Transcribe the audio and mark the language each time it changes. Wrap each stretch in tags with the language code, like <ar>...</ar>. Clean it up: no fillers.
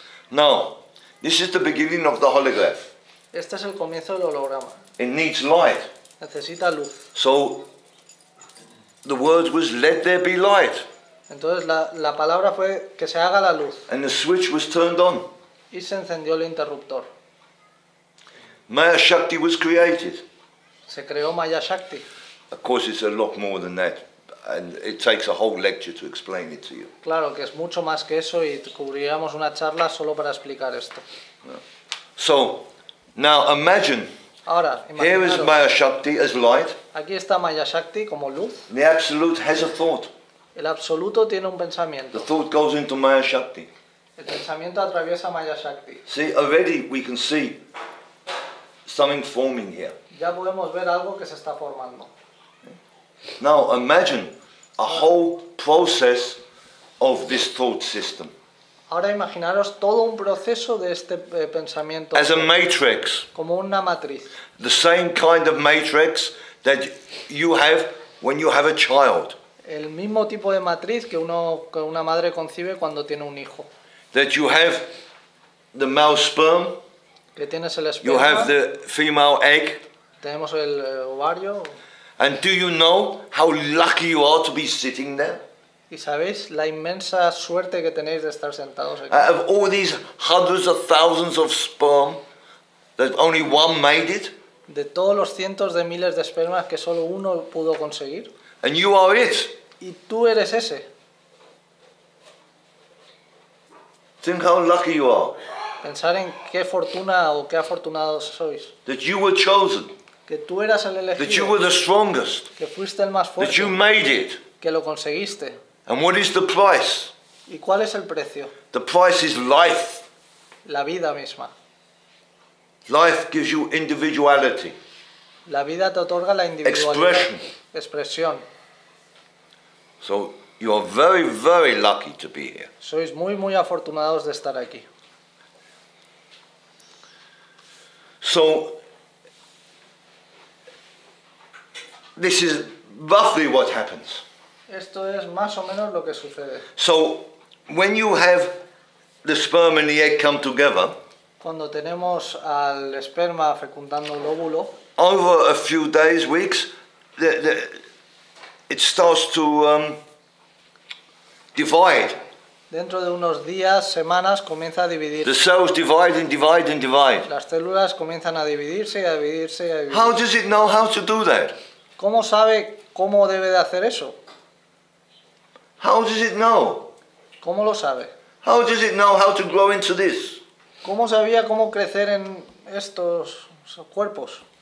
<en>Now, this is the beginning of the holograph.</en> <es>Este es el comienzo del holograma.</es> <en>It needs light.</en> <es>Necesita luz.</es> <en>So, the word was let there be light.</en> <es>Entonces la palabra fue que se haga la luz.</es> <en>And the switch was turned on.</en> <es>Y se encendió el interruptor.</es> <en>Maya Shakti was created.</en> <es>Se creó Maya Shakti.</es> <en>Of course, it's a lot more than that. And it takes a whole lecture to explain it to you.</en> <es>Claro, que es mucho más que eso y cubriríamos una charla solo para explicar esto.</es> <en>So, now imagine.</en> <es>Ahora,</es> <en>here is Maya Shakti as light.</en> <es>Aquí está Maya Shakti como luz.</es> <en>The absolute has a thought.</en> <es>El absoluto tiene un pensamiento.</es> <en>The thought goes into Maya Shakti.</en> <es>El pensamiento atraviesa Maya Shakti.</es> <en>See, already we can see something forming here.</en> <es>Ya podemos ver algo que se está formando.</es> <en>Now imagine a whole process of this thought system.</en> <es>Ahora imaginaros todo un proceso de este pensamiento.</es> <en>As a matrix.</en> <es>Como una matriz.</es> <en>The same kind of matrix that you have when you have a child.</en> <es>El mismo tipo de matriz que uno que una madre concibe cuando tiene un hijo.</es> <en>That you have the male sperm.</en> <es>Que tienes el esperma.</es> <en>You have the female egg.</en> <es>Tenemos el ovario.</es> <en>And do you know how lucky you are to be sitting there?</en> <es>¿Y sabéis la inmensa suerte que tenéis de estar sentados aquí?</es> <en>Of all these hundreds of thousands of sperm, that only one made it.</en> <es>De todos los cientos de miles de espermas que solo uno pudo conseguir.</es> <en>And you are it.</en> <es>Y tú eres ese.</es> <en>Think how lucky you are.</en> <es>Pensar en qué fortuna o qué afortunados sois.</es> <en>That you were chosen.</en> <es>Que tú eras el elegido.</es> <en>That you were the strongest.</en> <es>Que fuiste el más fuerte.</es> <en>That you made it.</en> <es>Que lo conseguiste.</es> <en>And what is the price?</en> <es>¿Y cuál es el precio?</es> <en>The price is life.</en> <es>La vida misma.</es> <en>Life gives you individuality.</en> <es>La vida te otorga la individualidad.</es> <en>Expression.</en> <es>Expresión.</es> <en>So you are very, very lucky to be here.</en> <es>Sois muy, muy afortunados de estar aquí.</es> <en>So this is roughly what happens.</en> <es>Esto es más o menos lo que sucede.</es> <en>So when you have the sperm and the egg come together,</en> <es>cuando tenemos al esperma fecundando el óvulo,</es> <en>over a few days, weeks, it starts to divide.</en> <es>Dentro de unos días, semanas, comienza a dividir.</es> <en>The cells divide and divide and divide.</en> <es>Las células comienzan a dividirse y a dividirse y a dividirse.</es> <en>How does it know how to do that?</en> <es>¿Cómo sabe cómo debe de hacer eso?</es> <en>How does it know?</en> <es>¿Cómo lo sabe?</es> <en>How does it know how to grow into this?</en> <es>¿Cómo sabía cómo crecer en estos cuerpos?</es>